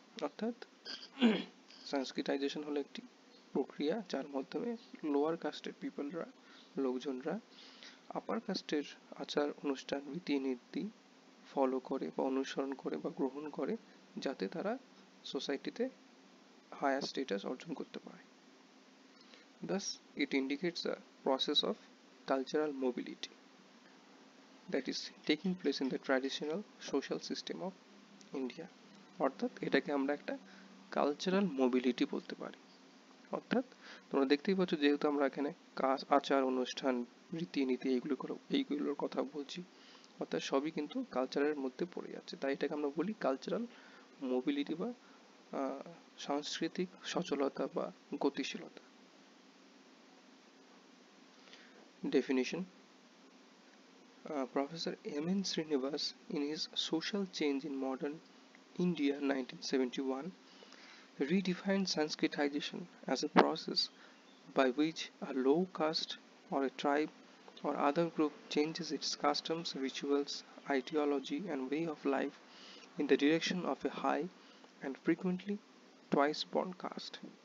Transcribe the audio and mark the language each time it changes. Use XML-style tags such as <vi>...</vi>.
<bn>অর্থাৎ সংস্কৃতাইজেশন হলো একটি প্রক্রিয়া, যার মাধ্যমে লোয়ার কাস্টের পিপলরা, লোকজনরা আপার কাস্টের আচার অনুষ্ঠান রীতিনীতি ফলো করে বা অনুসরণ করে বা গ্রহণ করে, যাতে তারা সোসাইটিতে হায়ার স্ট্যাটাস অর্জন করতে পারে।</bn> <en>Thus it indicates a process of cultural mobility that is taking place in the traditional social system of India.</en> <bn>অর্থাৎ এটাকে আমরা একটা কালচারাল মোবিলিটি বলতে পারি। অর্থাৎ তোমরা দেখতেই পাচ্ছ, যেহেতু আমরা এখানে কাজ, আচার অনুষ্ঠান, রীতিনীতি এইগুলোর কথা বলছি, অর্থাৎ সবই কিন্তু কালচারের মধ্যে পড়ে যাচ্ছে, তাই এটাকে আমরা বলি কালচারাল মোবিলিটি বা সাংস্কৃতিক সচলতা বা গতিশীলতা।</bn> <en>Definition: Professor M. N. Srinivas, in his Social Change in Modern India, 1971, redefined Sanskritization as a process by which a low caste or a tribe or other group changes its customs, rituals, ideology and way of life in the direction of a high and frequently twice-born caste.</en>